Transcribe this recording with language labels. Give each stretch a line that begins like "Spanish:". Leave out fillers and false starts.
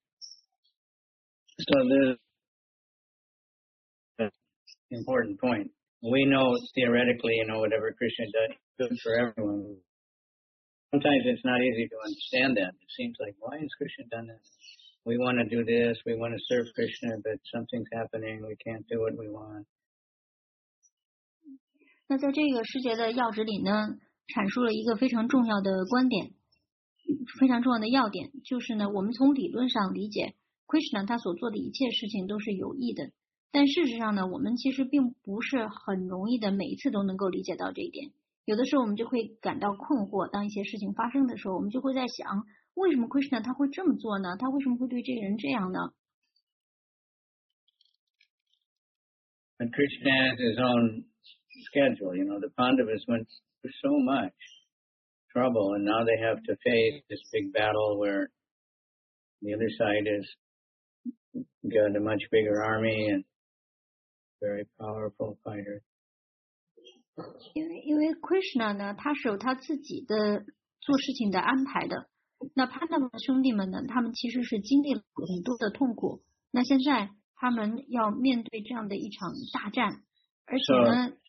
English: So this is an important point. We know theoretically, you know, whatever Krishna does is good for everyone. Sometimes it's not easy to understand that. It seems like, why has Krishna done this? We want to do this. We want to serve Krishna, but something's happening. We can't do what we want.
Chinese: 那在这个世界的要旨里呢，阐述了一个非常重要的观点。非常重要的要点就是呢，我们从理论上理解 Krishna 他所做的一切事情都是有益的，但事实上呢，我们其实并不是很容易的每一次都能够理解到这一点。有的时候我们就会感到困惑，当一些事情发生的时候，我们就会在想，为什么 Krishna 他会这么做呢？他为什么会对这个人这样呢？
English: And Krishna has his own schedule, you know, the Pandavas went through so much trouble and now they have to face this big battle where the other side has got a much bigger army and very powerful fighter.
Chinese: 因为 Krishna 呢，他是有他自己的做事情的安排的。那 Pandava 兄弟们呢，他们其实是经历了很多的痛苦。那现在他们要面对这样的一场大战，而且呢，